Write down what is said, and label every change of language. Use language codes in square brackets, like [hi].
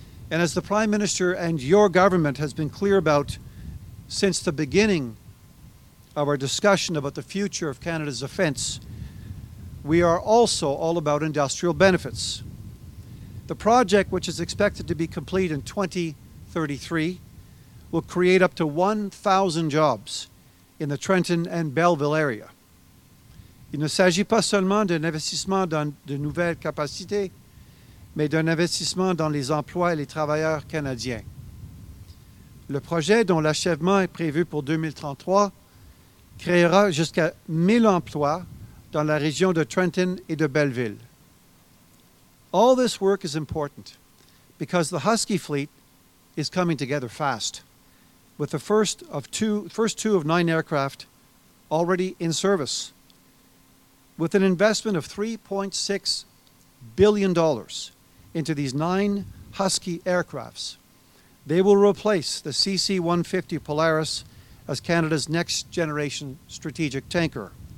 [en] And as the Prime Minister and your government has been clear about since the beginning of our discussion about the future of Canada's defence, we are also all about industrial benefits. The project, which is expected to be complete in 2033, will create up to 1,000 jobs in the Trenton and Belleville area. [fr] Il ne s'agit pas seulement d'un investissement dans de nouvelles capacités, mais d'un investissement dans les emplois et les travailleurs canadiens. Le projet, dont l'achèvement est prévu pour 2033, créera jusqu'à 1000 emplois dans la région de Trenton et de Belleville. [en] All this work is important because the Husky fleet is coming together fast. with the first two of nine aircraft already in service. With an investment of $3.6 billion into these nine Husky aircrafts, they will replace the CC-150 Polaris as Canada's next generation strategic tanker.